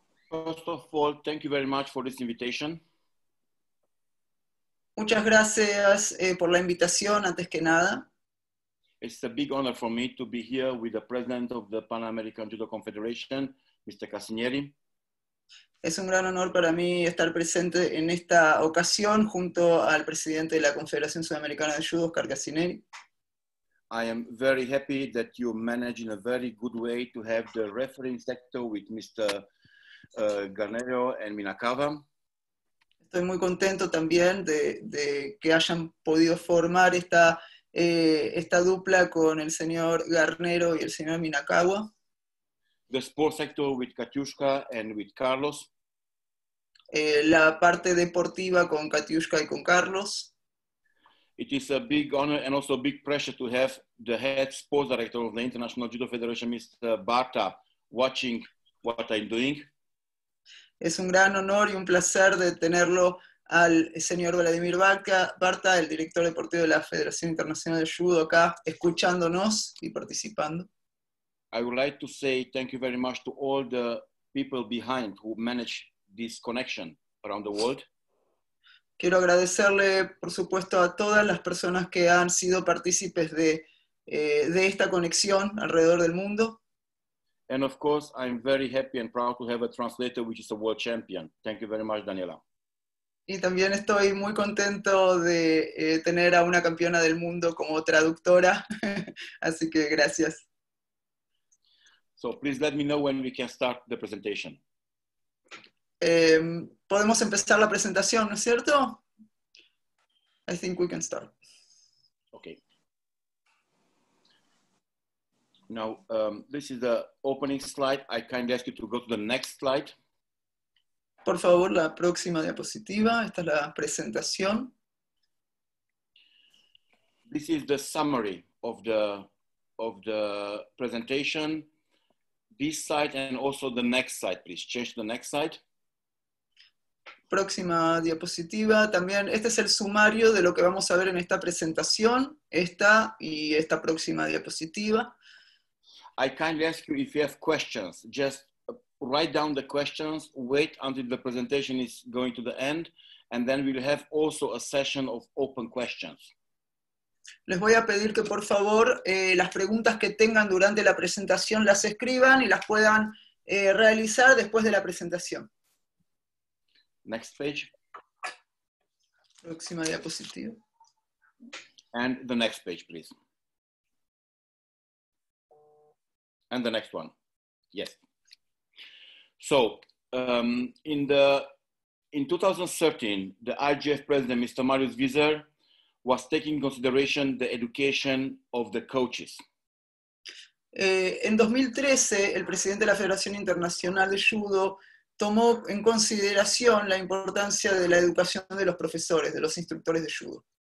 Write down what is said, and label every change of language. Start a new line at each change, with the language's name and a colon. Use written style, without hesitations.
English: First of all, thank you very much for this invitation.
Spanish: Muchas gracias por la invitación, antes que nada.
English: It's a big honor for me to be here with the president of the Pan American Judo Confederation, Mr. Casinieri.
Spanish: Es un gran honor para mí estar presente en esta ocasión junto al presidente de la Confederación Sudamericana de Judo, Oscar Casinieri.
English: I am very happy that you manage in a very good way to have the refereeing sector with Mr. Garnero and Minakava.
Spanish: Estoy muy contento también de que hayan podido formar esta dupla con el señor Garnero y el señor Minakava.
English: The sports sector with Katiuska and with Carlos.
Spanish: La parte deportiva con Katiuska y con Carlos.
English: It is a big honor and also a big pressure to have the head sports director of the International Judo Federation, Mr. Barta, watching what I'm doing.
Spanish: Es un gran honor y un placer de tenerlo al señor Vladimir Barta, el director deportivo de la Federación Internacional de Judo, acá escuchándonos y participando.
English: I would like to say thank you very much to all the people behind who manage this connection around the world.
Spanish: Quiero agradecerle, por supuesto, a todas las personas que han sido partícipes de esta conexión alrededor del mundo.
English: And of course, I'm very happy and proud to have a translator which is a world champion. Thank you very much, Daniela.
Spanish: Y también estoy muy contento de tener a una campeona del mundo como traductora. Así que gracias.
English: So please let me know when we can start the presentation.
Spanish: Podemos empezar la presentación, ¿no es cierto?
English: I think we can start. Okay. Now, this is the opening slide. I kindly ask you to go to the next slide.
Spanish: Por favor, la próxima diapositiva. Esta es la presentación.
English: This is the summary of the presentation. This slide and also the next slide, please. Change to the next slide.
Spanish: Próxima diapositiva. También este es el sumario de lo que vamos a ver en esta presentación. Esta y esta próxima diapositiva.
English: I kindly ask you if you have questions. Just write down the questions, wait until the presentation is going to the end, and then we'll have also a session of open questions.
Spanish: Les voy a pedir que por favor las preguntas que tengan durante la presentación las escriban y las puedan realizar después de la presentación.
English: Next page.
Spanish: Próxima diapositiva.
English: And the next page, please. And the next one. Yes. So, in 2013, the IGF president, Mr. Marius Wieser, was taking consideration the education of the coaches.
Spanish: En 2013, el presidente de la Federación Internacional de Judo tomó en consideración la importancia de la educación de los profesores, de los instructores de judo.